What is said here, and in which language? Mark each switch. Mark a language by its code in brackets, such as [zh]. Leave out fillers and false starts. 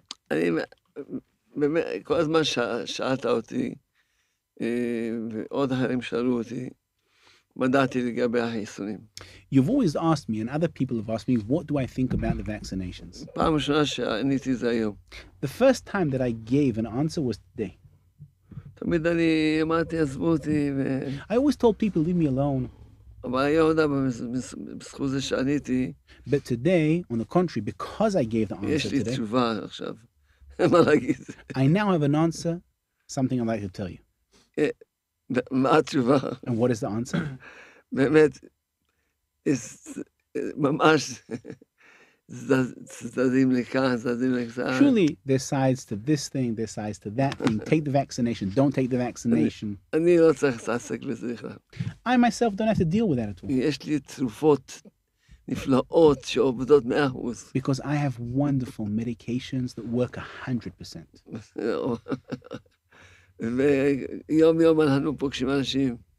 [he] אני באמת כל הזמן שאלת אותי ועוד אחרים שאלו אותי מה דעתי לגבי החיסונים. [en] You've always asked me and other people have asked me what do I think about the vaccinations. [he] פעם ראשונה שעניתי זה היום. [en] The first time that I gave an answer was today. [he] תמיד אני אמרתי עזבו אותי ו... [en] I always told people leave me alone. But today, on the contrary, because I gave the answer today, I now have an answer, something I'd like to tell you. And what is the answer? Truly, there's sides to this thing, there's sides to that thing. Take the vaccination, don't take the vaccination. I myself don't have to deal with that at all. [he] יש לי תרופות נפלאות שעובדות 100%. [en] Because I have wonderful medications that work 100%. [he] ויום יום אנחנו פוגשים אנשים.